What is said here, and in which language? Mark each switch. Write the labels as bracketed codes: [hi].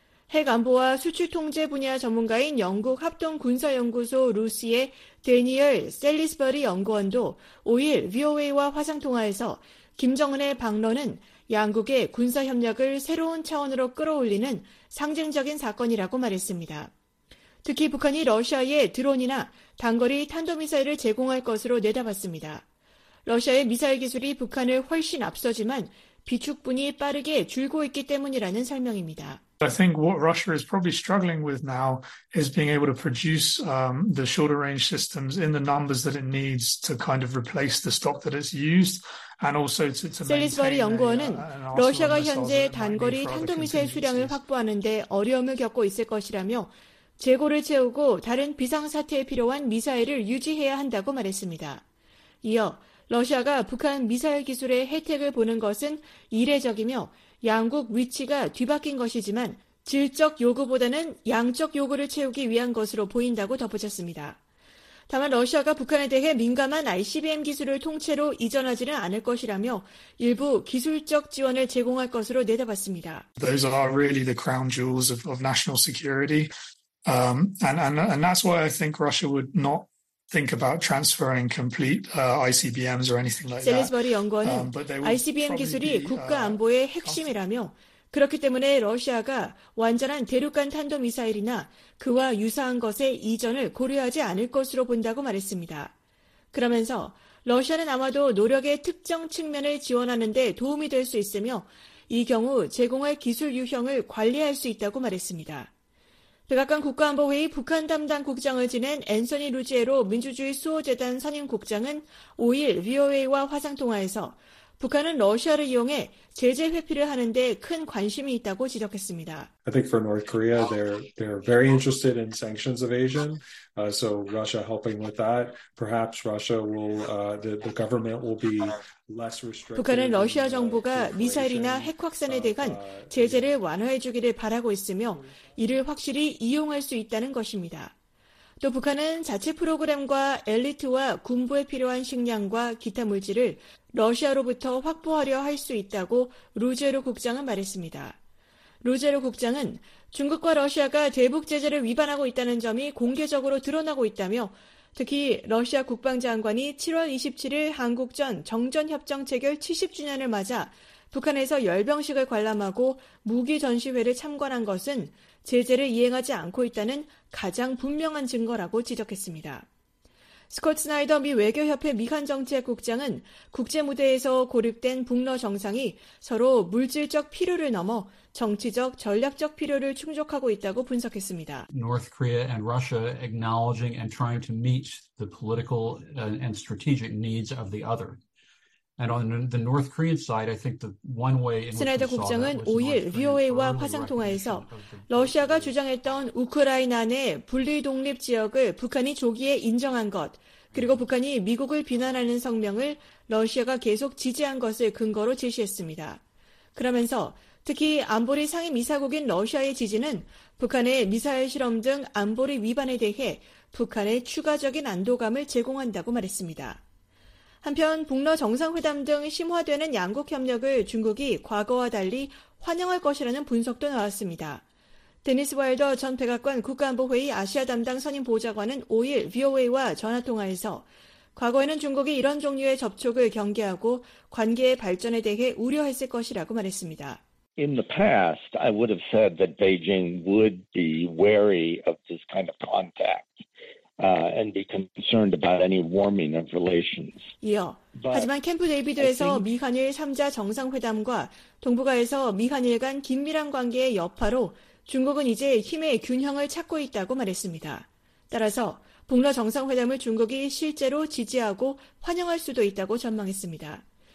[ko] 핵 안보와 수출 통제 분야 전문가인 영국 합동군사연구소 루시의 데니얼 셀리스버리 연구원도 5일 VOA와 화상통화에서 김정은의 방러는 양국의 군사협력을 새로운 차원으로 끌어올리는 상징적인 사건이라고 말했습니다. 특히 북한이 러시아에 드론이나 단거리 탄도미사일을 제공할 것으로 내다봤습니다. 러시아의 미사일 기술이 북한을 훨씬 앞서지만 비축분이 빠르게 줄고 있기 때문이라는 설명입니다. [en] I think what Russia is probably struggling with now is being able to produce the shorter range systems in the numbers that it needs to kind of replace the stock that it's used and also to maintain. [ko] 셀리스버리 연구원은 러시아가 현재 단거리 탄도미사일 수량을 확보하는 데 어려움을 겪고 있을 것이라며 재고를 채우고 다른 비상 사태에 필요한 미사일을 유지해야 한다고 말했습니다. 이어 러시아가 북한 미사일 기술의 혜택을 보는 것은 이례적이며 양국 위치가 뒤바뀐 것이지만 질적 요구보다는 양적 요구를 채우기 위한 것으로 보인다고 덧붙였습니다. 다만 러시아가 북한에 대해 민감한 ICBM 기술을 통째로 이전하지는 않을 것이라며 일부 기술적 지원을 제공할 것으로 내다봤습니다. [en] Those are really the crown jewels of national security. And that's why I think Russia would not think about transferring complete ICBMs or anything like that. [ko] 셀리스버리 연구원은 ICBM 기술이 국가 안보의 핵심이라며 그렇기 때문에 러시아가 완전한 대륙간 탄도미사일이나 그와 유사한 것의 이전을 고려하지 않을 것으로 본다고 말했습니다. 그러면서 러시아는 아마도 노력의 특정 측면을 지원하는 데 도움이 될 수 있으며 이 경우 제공할 기술 유형을 관리할 수 있다고 말했습니다. 백악관 국가안보회의 북한 담당 국장을 지낸 앤서니 루지에로 민주주의 수호재단 선임 국장은 5일 VOA와 화상통화에서 북한은 러시아를 이용해 제재 회피를 하는 데 큰 관심이 있다고 지적했습니다. [en] I think for North Korea, they're very interested in sanctions evasion. So Russia helping with that, perhaps Russia will the government will be less restrictive. [ko] 북한은 러시아 정부가 미사일이나 핵 확산에 대한 제재를 완화해 주기를 바라고 있으며 이를 확실히 이용할 수 있다는 것입니다. 또 북한은 자체 프로그램과 엘리트와 군부에 필요한 식량과 기타 물질을 러시아로부터 확보하려 할 수 있다고 루제로 국장은 말했습니다. 루제로 국장은 중국과 러시아가 대북 제재를 위반하고 있다는 점이 공개적으로 드러나고 있다며 특히 러시아 국방장관이 7월 27일 한국전 정전협정 체결 70주년을 맞아 북한에서 열병식을 관람하고 무기 전시회를 참관한 것은 제재를 이행하지 않고 있다는 가장 분명한 증거라고 지적했습니다. 스콧 스나이더 미 외교협회 미한정책국장은 국제무대에서 고립된 북러 정상이 서로 물질적 필요를 넘어 정치적, 전략적 필요를 충족하고 있다고 분석했습니다. [en] North Korea and Russia acknowledging and trying to meet the political and strategic needs of the other. And on the North Korean side, I think the one way in which we saw that was North Korea. [ko] 와 화상 통화에서 러시아가 주장했던 우크라이나 내 분리 독립 지역을 북한이 조기에 인정한 것, 그리고 북한이 미국을 비난하는 성명을 러시아가 계속 지지한 것을 근거로 제시했습니다. 그러면서 특히 안보리 상임 이사국인 러시아의 지지는 북한의 미사일 실험 등 안보리 위반에 대해 북한의 추가적인 안도감을 제공한다고 말했습니다. 한편 북러 정상회담 등 심화되는 양국 협력을 중국이 과거와 달리 환영할 것이라는 분석도 나왔습니다. 데니스 와일더 전 백악관 국가안보회의 아시아 담당 선임 보좌관은 5일 VOA와 전화통화에서 과거에는 중국이 이런 종류의 접촉을 경계하고 관계의 발전에 대해 우려했을 것이라고 말했습니다. [en] In the past, I would have said that Beijing would be wary of this kind of contact. And be concerned about any warming of relations. [ko] 이어, 하지만 캠프 데이비드에서 미한일 3자 정상회담과 동북아에서 미한일 간 긴밀한 관계의 여파로 중국은 이제 힘의 균형을 찾고 있다고 말했습니다. 따라서 북러 정상회담을 중국이 실제로 지지하고 환영할 수도 있다고 전망했습니다.